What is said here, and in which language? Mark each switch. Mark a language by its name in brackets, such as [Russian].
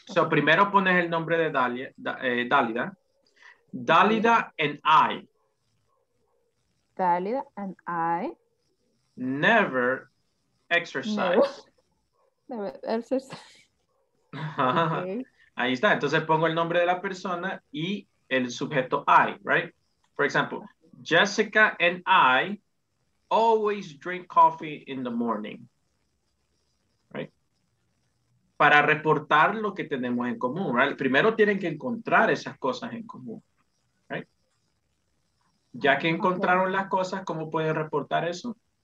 [Spanish] So primero pones el nombre de Dálida. [English] Dálida and I. Dálida and I. Never exercise. Never exercise. [Spanish] Okay. Ahí está. Entonces pongo el nombre de la persona y el sujeto I, [English] right? For example, Jessica and I always drink coffee in the morning, right? [Spanish] Para reportar lo que tenemos en común, [English] right? [Spanish] Primero tienen que encontrar esas cosas en común, right? Ya que encontraron las cosas, ¿cómo pueden reportar eso?